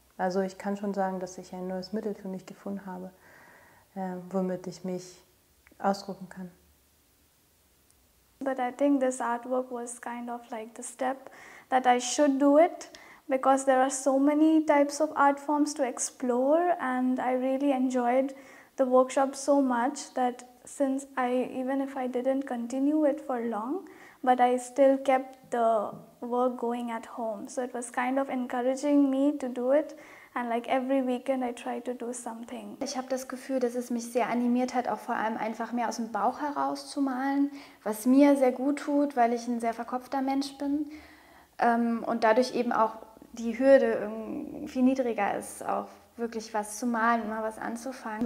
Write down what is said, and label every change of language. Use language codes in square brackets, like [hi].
[de] Also ich kann schon sagen, dass ich ein neues Mittel für mich gefunden habe, womit ich mich ausdrücken kann. [en] But I think this artwork was kind of like the step that I should do it, because there are so many types of art forms to explore and I really enjoyed the workshop so much that since I, even if I didn't continue it for long, but I still kept the work going at home. So it was kind of encouraging me to do it. And like every weekend I try to do something. [de] Ich habe das Gefühl, dass es mich sehr animiert hat, auch vor allem einfach mehr aus dem Bauch heraus zu malen, was mir sehr gut tut, weil ich ein sehr verkopfter Mensch bin. Und dadurch eben auch die Hürde viel niedriger ist, auch wirklich was zu malen, mal was anzufangen.